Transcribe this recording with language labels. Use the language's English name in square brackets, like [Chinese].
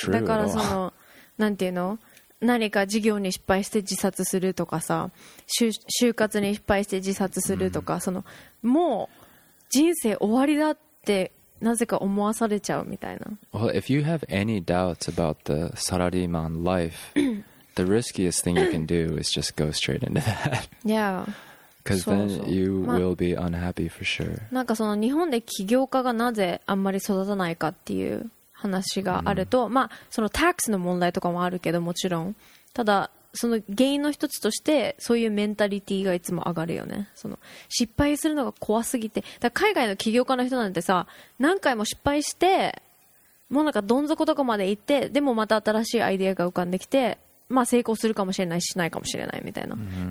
[Japanese] だからそのなんていうの、何か事業に失敗して自殺するとかさ、就活に失敗して自殺するとか、そのもう人生終わりだってなぜか思わされちゃうみたいな。 [English] Well, if you have any doubts about the salaryman life, the riskiest thing you can do is just go straight into that. Yeah. Because then you will be unhappy for sure. [Japanese] なんかその日本で起業家がなぜあんまり育たないかっていう話があると、mm. まあそのタックスの問題とかもあるけどもちろん、ただその原因の一つとしてそういうメンタリティがいつも上がるよね。その失敗するのが怖すぎて、だから海外の起業家の人なんてさ、何回も失敗してもうなんかどん底とかまで行って、でもまた新しいアイデアが浮かんできて、まあ成功するかもしれないしないかもしれないみたいな、mm-hmm.